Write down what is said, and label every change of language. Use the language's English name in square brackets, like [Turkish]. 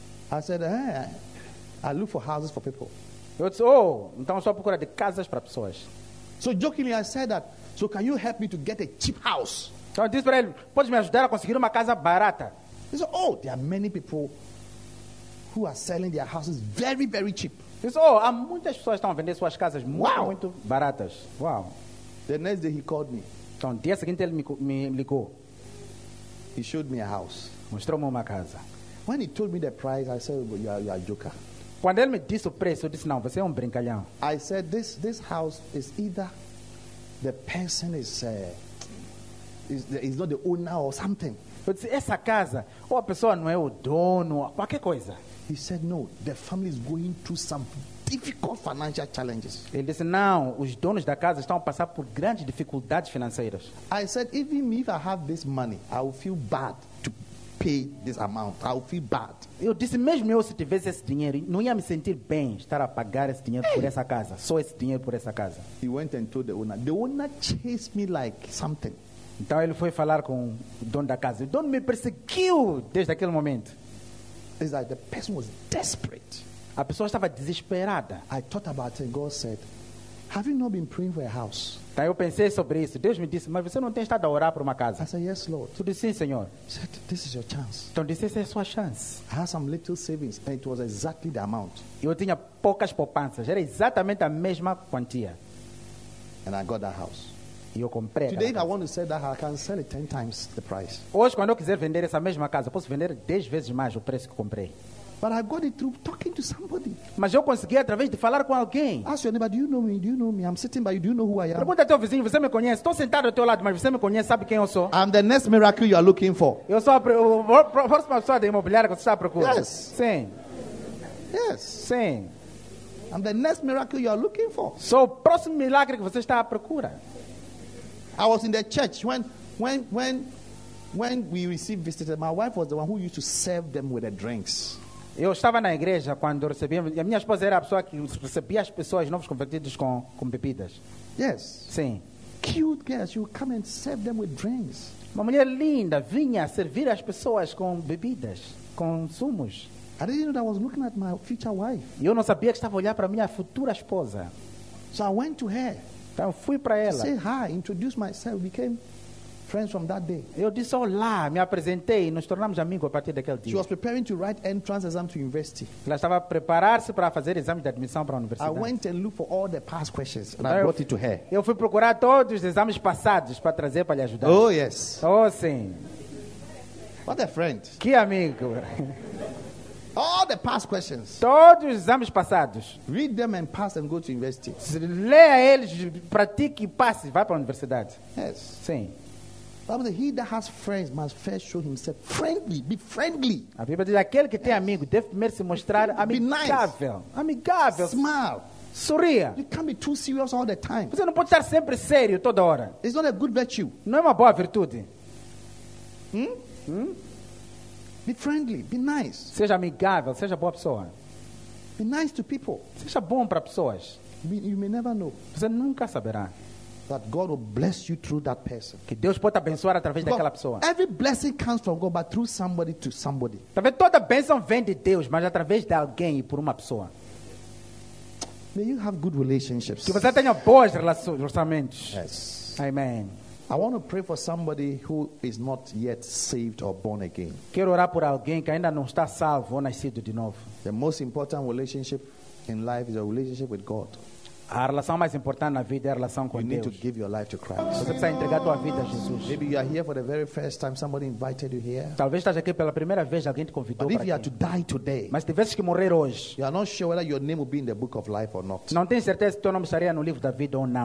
[English] I said, I look for houses for people. [Portuguese] Eu disse, oh, então só procura de casas para pessoas. [English] So jokingly I said that, so can you help me to get a cheap house? [Portuguese] Então disse para ele, pode me ajudar a conseguir uma casa barata? [English] He said, oh, there are many people who are selling their houses very, very cheap. [Portuguese] Disse, oh, há muitas pessoas que estão vendendo suas casas muito, muito baratas. [English] Wow. The next day he called me. [Portuguese] Então, dia seguinte ele me ligou. [English] He showed me a house. [Portuguese] Mostrou-me uma casa. [English] When he told me the price, I said, you are a joker. [Portuguese] Quando ele me disse o preço, eu disse, não, você é brincalhão. [English] I said, this house is either the person is not the owner or something. [Portuguese] Eu disse, essa casa, ou a pessoa não é o dono, qualquer coisa. [English] He said, no, the family is going through some difficult financial challenges. [Portuguese] Ele disse, não, os donos da casa estão a passar por grandes dificuldades financeiras. [English] I said, even if I have this money, I will feel bad to pay this amount. I will feel bad. [Portuguese] Eu disse, mesmo eu se tivesse esse dinheiro, não ia me sentir bem estar a pagar esse dinheiro por essa casa. Só esse dinheiro por essa casa. [English] He went and told the owner. The owner chased me like something. [Portuguese] Então ele foi falar com o dono da casa. O dono me perseguiu desde aquele momento. [English] It's like the person was desperate. [Portuguese] A pessoa estava desesperada. [English] I thought about it. God said, have you not been praying for a house? [Portuguese] Então eu pensei sobre isso. Deus me disse, mas você não tem estado a orar por uma casa? [English] I said, yes, Lord. [Portuguese] Tu disse, sim, Senhor. [English] He said, this is your chance. [Portuguese] Então disse, essa é a sua chance. [English] I had some little savings and it was exactly the amount. [Portuguese] Eu tinha poucas poupanças. Era exatamente a mesma quantia. [English] And I got that house. [Portuguese] E eu comprei. [English] Today, if I want to sell that house, I can sell it 10 times the price. [Portuguese] Hoje, quando eu quiser vender essa mesma casa, posso vender 10 vezes mais o preço que comprei. [English] But I got it through talking to somebody. [Portuguese] Mas eu consegui através de falar com alguém. [English] Ask your neighbor, do you know me? Do you know me? I'm sitting by you. Do you know who I am? [Portuguese] Pergunta ao teu vizinho, você me conhece? Estou sentado ao teu lado, mas você me conhece? Sabe quem eu sou? [English] I'm the next miracle you are looking for. [Portuguese] Eu sou a próxima pessoa de imobiliária que você está procurando. [English] Yes. [Portuguese] Sim. [English] Yes. [Portuguese] Sim. [English] I'm the next miracle you are looking for. [Portuguese] Sou o próximo milagre que você está à procura. [English] I was in the church when we received visitors. My wife was the one who used to serve them with the drinks. [Portuguese] Eu estava na igreja quando recebíamos. A minha esposa era a pessoa que recebia as pessoas novos convertidos com bebidas. [English] Yes. [Portuguese] Sim. [English] Cute girls, you come and serve them with drinks. [Portuguese] Uma mulher linda vinha servir as pessoas com bebidas, com sumos. [English] I didn't know that I was looking at my future wife. [Portuguese] Eu não sabia que estava a olhar para a minha futura esposa. [English] So I went to her. [Portuguese] Então fui para ela. [English] Say hi, introduce myself, became friends from that day. [Portuguese] Eu disse olá, me apresentei e nos tornamos amigos a partir daquele dia. [English] She was preparing to write entrance exam to university. [Portuguese] Ela estava a preparar-se para fazer exames de admissão para a universidade. [English] I went and looked for all the past questions and I brought it to her. [Portuguese] Eu fui procurar todos os exames passados para trazer para lhe ajudar. [English] Oh yes. [Portuguese] Oh sim. [English] What a friend. [Portuguese] Que amigo. [English] All the past questions. [Portuguese] Todos os exames passados. [English] Read them and pass and go to university. [Portuguese] Leia eles, pratique e passe, vai para a universidade. [English] Yes. [Portuguese] Sim. [English] But he that has friends must first show himself friendly. Be friendly. [Portuguese] A Bíblia diz aquele que tem amigo deve primeiro se mostrar amigável. [English] Be nice. [Portuguese] Amigável. [English] Smile. [Portuguese] Sorria. [English] You can't be too serious all the time. [Portuguese] Você não pode estar sempre sério toda hora. [English] It's not a good virtue. [Portuguese] Não é uma boa virtude. [English] Be friendly, be nice. [Portuguese] Seja amigável, seja boa pessoa. [English] Be nice to people. [Portuguese] Seja bom para pessoas. [English] You may never know. [Portuguese] Você nunca saberá. [English] That God will bless you through that person. [Portuguese] Que Deus pode abençoar através daquela pessoa. [English] Every blessing comes from God, but through somebody to somebody. [Portuguese] Talvez toda bênção vem de Deus, mas através de alguém e por uma pessoa. [English] May you have good relationships. [Portuguese] Que você tenha boas relacionamentos. [English] Yes. Amen. I want to pray for somebody who is not yet saved or born again. [Portuguese] Quero orar por alguém que ainda não está salvo ou nascido de novo. [English] The most important relationship in life is a relationship with God. [Portuguese] A relação mais importante na vida é a relação com [English] you [Portuguese] Deus. [English] You need to give your life to Christ. [Portuguese] Você precisa entregar tua vida a Jesus. [English] Maybe you are here for the very first time. Somebody invited you here. [Portuguese] Talvez estás aqui pela primeira vez. Alguém te convidou. [English] But if you are to die today, [Portuguese] mas tivesses que morrer hoje, [English] you are not sure whether your name will be in the book of life or not. [Portuguese] Não tenho certeza se teu nome estaria no livro da vida ou não.